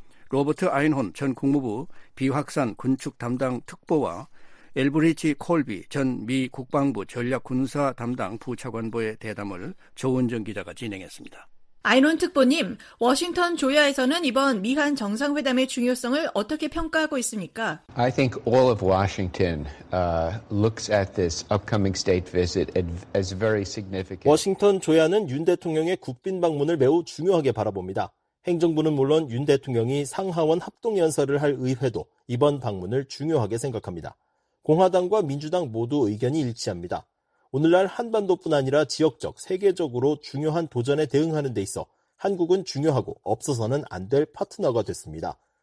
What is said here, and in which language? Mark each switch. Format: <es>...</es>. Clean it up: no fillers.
<ko>로버트 아인혼 전 국무부 비확산 군축 담당 특보와 엘브리지 콜비 전 미 국방부 전략군사 담당 부차관보의 대담을 조은정 기자가 진행했습니다. 아인혼 특보님, 워싱턴 조야에서는 이번 미한 정상회담의 중요성을 어떻게 평가하고 있습니까?</ko> <en>I think all of Washington looks at this upcoming state visit as very significant.</en> <ko>워싱턴 조야는 윤 대통령의 국빈 방문을 매우 중요하게 바라봅니다. 행정부는 물론 윤 대통령이 상하원 합동연설을 할 의회도 이번 방문을 중요하게 생각합니다. 공화당과 민주당 모두 의견이 일치합니다. 오늘날 한반도뿐 아니라 지역적, 세계적으로 중요한 도전에 대응하는 데 있어 한국은 중요하고 없어서는 안 될 파트너가 됐습니다.</ko>